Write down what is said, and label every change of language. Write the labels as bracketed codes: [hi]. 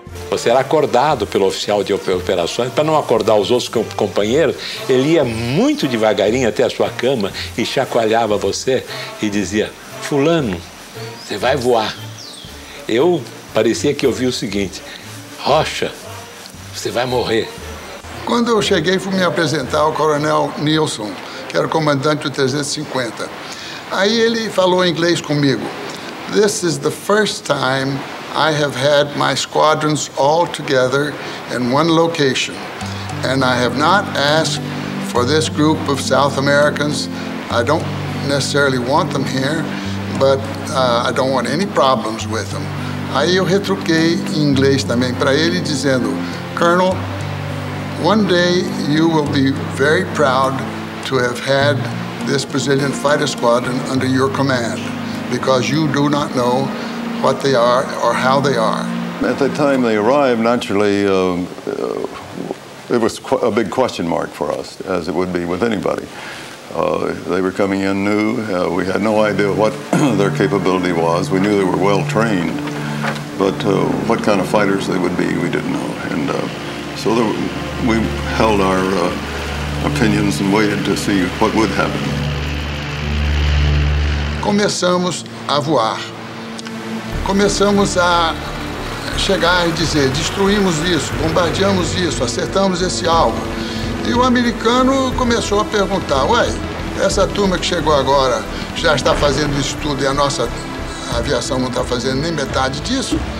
[pt] Você era acordado pelo oficial de operações, para não acordar os outros companheiros, ele ia muito devagarinho até a sua cama e chacoalhava você e dizia, fulano, você vai voar. Eu parecia que ouvi o seguinte, Rocha, você vai morrer. Quando eu cheguei, fui me apresentar ao coronel Nilson, que era o comandante do 350. Aí ele falou inglês comigo. [en] This is the first time I have had my squadrons all together in one location. And I have not asked for this group of South Americans. I don't necessarily want them here, but I don't want any problems with them. [pt] Aí eu retruquei em inglês também para ele, dizendo, [en] Colonel, one day you will be very proud to have had this Brazilian fighter squadron under your command. Because you do not know what they are or how they are. At the time they arrived, naturally, it was a big question mark for us, as it would be with anybody. They were coming in new. We had no idea what their capability was. We knew they were well trained, but what kind of fighters they would be, we didn't know. And so there, we held our opinions and waited to see what would happen. [pt] Começamos a voar. Começamos a chegar e dizer, destruímos isso, bombardeamos isso, acertamos esse alvo. E o americano começou a perguntar, ué, essa turma que chegou agora já está fazendo isso tudo e a nossa aviação não está fazendo nem metade disso?